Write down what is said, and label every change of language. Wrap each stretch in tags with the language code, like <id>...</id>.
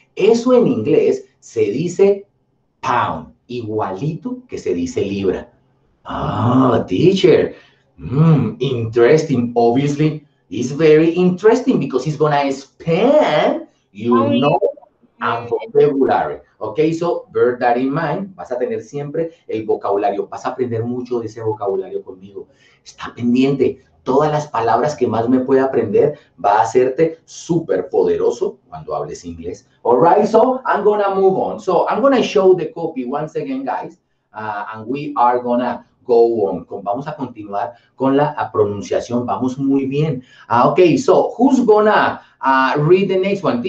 <es>Eso en inglés se dice pound. Igualito que se dice libra. Ah, teacher.</es> <en>Interesting. Obviously, it's very interesting because it's going to expand your knowledge and vocabulary. Ok, so bear that in mind.</en> <es>Vas a tener siempre el vocabulario. Vas a aprender mucho de ese vocabulario conmigo. Está pendiente. Todas las palabras que más me pueda aprender va a hacerte súper poderoso cuando hables inglés.</es> <en>All right, so I'm going to move on. So I'm going to show the copy once again, guys. And we are going to go on.</en> <es>Vamos a continuar con la pronunciación. Vamos muy bien.</es> <en>Okay, so who's going to read the next one?</en>